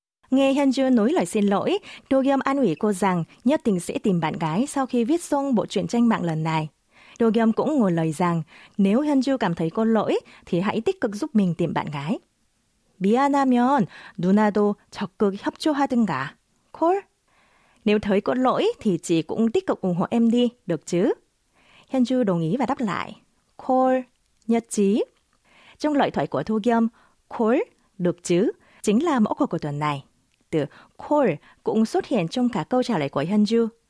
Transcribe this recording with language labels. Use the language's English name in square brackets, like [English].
[Vietnamese] Nghe Hyun-ju nói lời xin lỗi, Do-kyum an ủi cô rằng nhất định sẽ tìm bạn gái sau khi viết xong bộ truyện tranh mạng lần này. Do-kyum cũng ngồi lời rằng nếu Hyun-ju cảm thấy có lỗi thì hãy tích cực giúp mình tìm bạn gái. [Korean] 미안하면 누나도 적극 협조하든가. 콜? [Vietnamese] Nếu thấy có lỗi thì chị cũng tích cực ủng hộ em đi, được chứ? Hyun-ju đồng ý và đáp lại. 콜, nhất trí. Trong lời thoại của Do-kyum, 콜, được chứ, chính là mẫu câu của tuần này. Từ 콜 cũng xuất hiện trong cả câu trả lời của Hyun-ju.